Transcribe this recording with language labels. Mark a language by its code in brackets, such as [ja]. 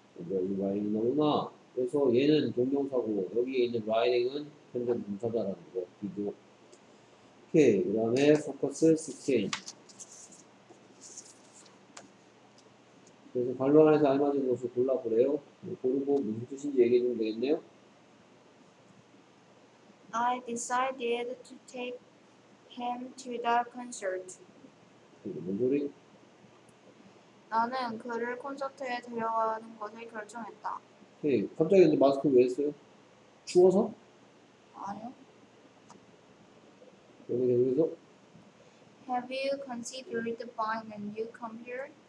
[ko] 라이팅 너무나 그래서 얘는 동명사고 여기에 있는 라이팅은 현재 분사다라는 거 비교. 오케이 그 다음에 포커스 16. 그래서 관로 안에서 알맞은 것을 골라보래요. 고르고 무슨 뜻인지 얘기해 주면 되겠네요. [en] I decided to take him to the concert. [ko] 뭔 소리? 나는 그를 콘서트에 데려가는 것을 결정했다. 네, 갑자기 근데 마스크 왜 했어요? 추워서? 아니요. 여기 계속해서? [en] Have you considered buying a new computer?